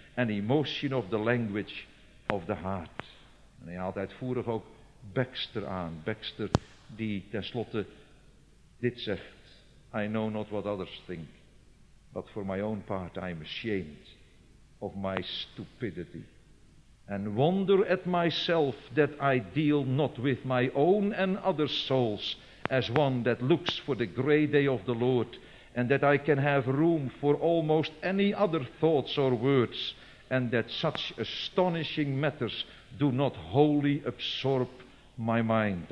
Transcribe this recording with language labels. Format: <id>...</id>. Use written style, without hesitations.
<en>an emotion of the language of the heart.</en> <nl>En hij haalt uitvoerig ook Baxter aan. Baxter die tenslotte dit zegt.</nl> <en>I know not what others think, but for my own part I am ashamed of my stupidity. And wonder at myself that I deal not with my own and other souls as one that looks for the great day of the Lord, and that I can have room for almost any other thoughts or words, and that such astonishing matters do not wholly absorb my mind.</en>